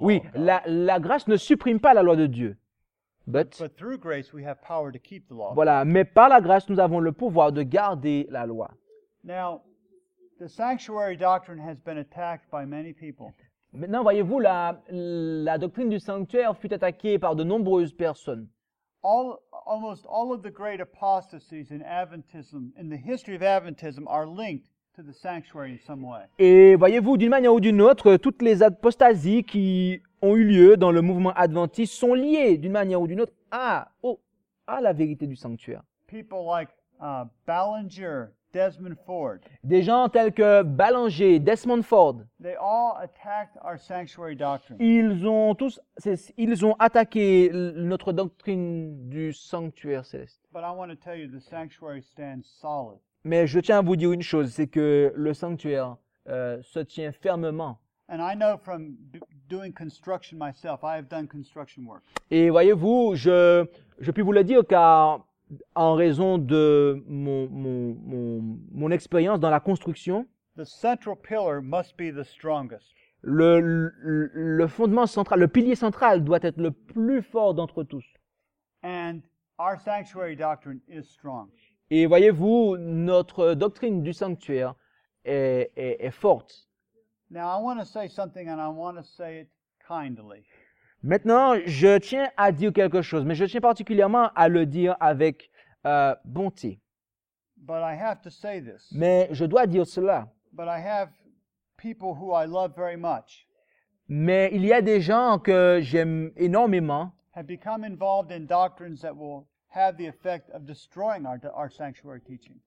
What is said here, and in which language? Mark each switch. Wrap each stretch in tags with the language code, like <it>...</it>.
<fr>Oui, la grâce ne supprime pas la loi de Dieu.</fr> <en>But through grace we have power to keep the law.</en> <fr>Voilà, mais par la grâce nous avons le pouvoir de garder la loi.</fr> <en>Now, the sanctuary doctrine has been attacked by many people.</en> <fr>Maintenant, voyez-vous, la doctrine du sanctuaire fut attaquée par de nombreuses personnes.</fr> <en>Almost all of the great apostasies in Adventism, in the history of Adventism, are linked to the sanctuary in some way.</en> <fr>Et voyez-vous, d'une manière ou d'une autre, toutes les apostasies qui ont eu lieu dans le mouvement adventiste sont liées, d'une manière ou d'une autre, à la vérité du sanctuaire.</fr> <en>People like Ballinger, Desmond Ford.</en> <fr>Des gens tels que Ballinger, Desmond Ford.</fr> <en>They all attacked our sanctuary doctrine.</en> <fr>Ils ont attaqué notre doctrine du sanctuaire céleste.</fr> <en>But I want to tell you, the sanctuary stands solid.</en> <fr>Mais je tiens à vous dire une chose, c'est que le sanctuaire se tient fermement.</fr> <en>And I know from doing construction myself, I have done construction work.</en> <fr>Et voyez-vous, je puis vous le dire car en raison de mon expérience dans la construction,</fr> <en>the central pillar must be the strongest.</en> <fr>Le fondement central, le pilier central doit être le plus fort d'entre tous.</fr> <en>And our sanctuary doctrine is strong.</en> <fr>Et voyez-vous, notre doctrine du sanctuaire est forte.</fr> <en>Now I want to say something and I want to say it kindly.</en> <fr>Maintenant, je tiens à dire quelque chose, mais je tiens particulièrement à le dire avec bonté.</fr> <en>But I have to say this.</en> <fr>Mais je dois dire cela.</fr> <en>But I have people who I love very much.</en> <fr>Mais il y a des gens que j'aime énormément.</fr> <en>Have become involved in doctrines that will have the effect of destroying our sanctuary teaching.</en>